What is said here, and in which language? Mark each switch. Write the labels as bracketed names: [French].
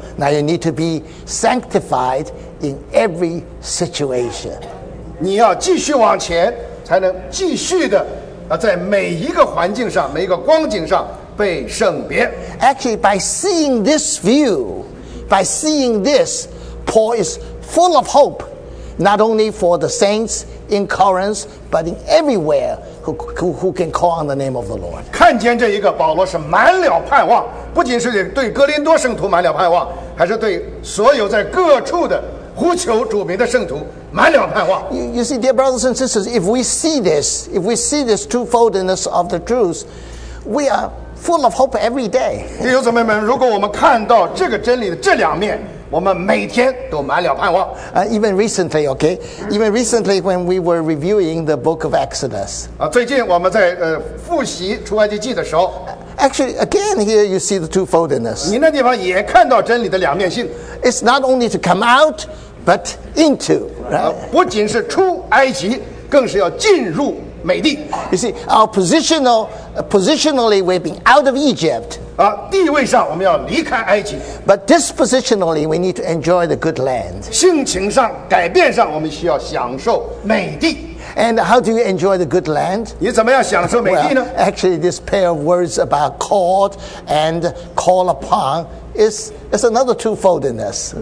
[English] Now you need to be sanctified in every situation. [Chinese] 你要继续往前，才能继续的。在每一个环境上，每一个光景上被圣别。 [English] Actually, by seeing this view, by seeing this, Paul is full of hope, not only for the saints in Corinth, but in everywhere who can call on the name of the Lord. [Chinese] 看见这一个，保罗是满了盼望，不仅是对哥林多圣徒满了盼望，还是对所有在各处的呼求主名的圣徒。 [English] You see, dear brothers and sisters, if we see this twofoldness of the truth, we are full of hope every day. [Chinese] 弟兄姊妹们，如果我们看到这个真理的这两面， [English] Even recently, okay? Even recently when we were reviewing the book of Exodus. [Chinese] 最近我们在复习出埃及记的时候, [English] Actually, again, here you see the twofoldness. It's not only to come out, but into. Right? You see, our positionally, we've been out of Egypt. [Chinese] 地位上我们要离开埃及, [English] but dispositionally, we need to enjoy the good land. [Chinese] 性情上改变上我们需要享受美地。 [English] And how do you enjoy the good land? [Chinese] 你怎么样享受美地呢? [English] Well, actually, this pair of words about called and call upon is another twofoldness.